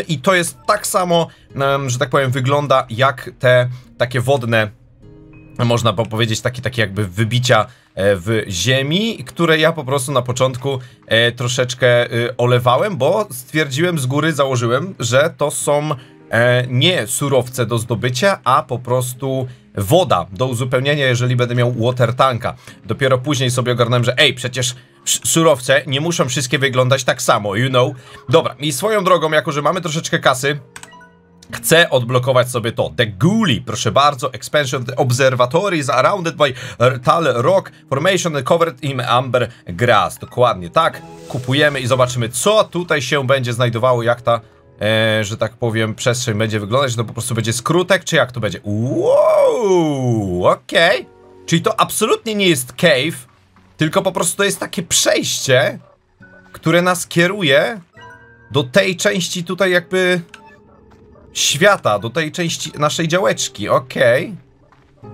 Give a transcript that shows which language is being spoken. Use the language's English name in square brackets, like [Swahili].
[Polish] I to jest tak samo, że tak powiem, wygląda jak te takie wodne, można powiedzieć, takie jakby wybicia w ziemi, które ja po prostu na początku troszeczkę olewałem, bo stwierdziłem z góry, założyłem, że to są nie surowce do zdobycia, a po prostu woda do uzupełnienia, jeżeli będę miał water tanka. Dopiero później sobie ogarnąłem, że ej, przecież surowce nie muszą wszystkie wyglądać tak samo, [English] you know. [Polish] Dobra, i swoją drogą, jako że mamy troszeczkę kasy, chcę odblokować sobie to. [English] The Ghoulie, [Polish] proszę bardzo, [English] expansion of the observatory is surrounded by tall rock formation covered in amber grass. [Polish] Dokładnie, tak, kupujemy i zobaczymy, co tutaj się będzie znajdowało, jak ta że tak powiem, przestrzeń będzie wyglądać, że to po prostu będzie skrótek, czy jak to będzie? Wow, okej. Okay. Czyli to absolutnie nie jest cave, tylko po prostu to jest takie przejście, które nas kieruje do tej części tutaj jakby świata, do tej części naszej działeczki, okej. Okay.